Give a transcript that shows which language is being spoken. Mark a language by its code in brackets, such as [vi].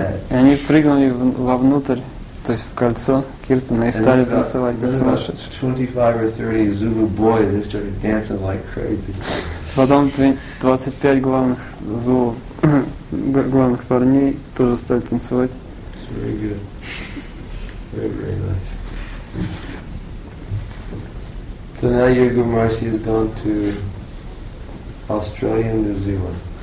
[ru] И они прыгнули вовнутрь. То есть в кольцо киртана и стали танцевать как сумасшедшие. [en] 25 or 30 Zulu boys, they started dancing like crazy. [ru] Потом 25 главных Zulu главных парней тоже стали танцевать. [en] It's very good. Very nice. So now Yogi Marcy has gone to Australia and New Zealand.